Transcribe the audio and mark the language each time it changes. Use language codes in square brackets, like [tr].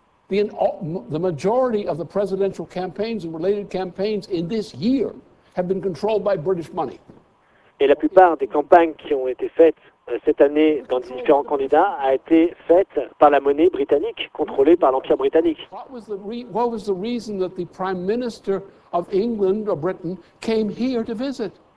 [en] The majority of the presidential campaigns and related campaigns in this year have been controlled by British money. [fr] Et la plupart des campagnes qui ont été faites cette année dans différents candidats a été faite par la monnaie britannique, contrôlée par l'Empire britannique. [en] What was the reason that the Prime Minister of England or Britain came here to visit?